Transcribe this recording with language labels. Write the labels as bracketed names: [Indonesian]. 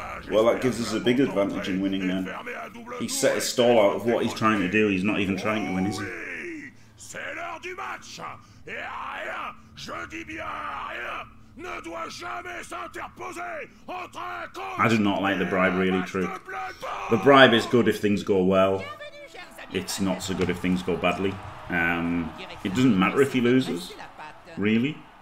[English] Well, that gives us a big advantage in winning then. He set a stall out of what he's trying to do. He's not even trying to win, is he? [French] C'est l'heure du match. Et rien, je dis bien rien, ne doit jamais s'interposer entre un coach. [English] I do not like the bribe, really, true. The bribe is good if things go well. It's not so good if things go badly. It doesn't matter if he loses, really.